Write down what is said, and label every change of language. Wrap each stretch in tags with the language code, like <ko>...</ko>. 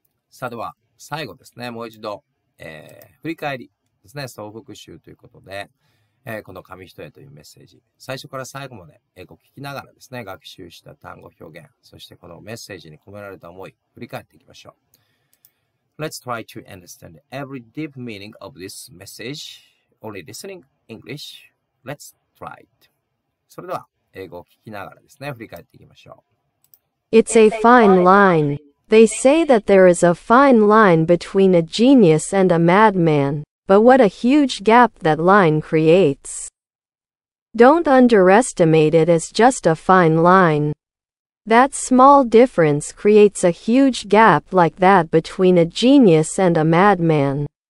<ja>さあでは最後ですね、もう一度、振り返り。ですね、総復習ということで、この紙一重というメッセージ最初から最後まで英語を聞きながらですね学習した単語表現そしてこのメッセージに込められた思い振り返っていきましょう</ja> <en>Let's try to understand every deep meaning of this message. Only listening English. Let's try it.</en> <ja>それでは英語を聞きながらですね、振り返っていきましょう。</ja> <en>It's a fine line. They say that there is a fine line between a genius and a madman. But what a huge gap that line creates. Don't underestimate it as just a fine line. That small difference creates a huge gap like that between a genius and a madman.</en>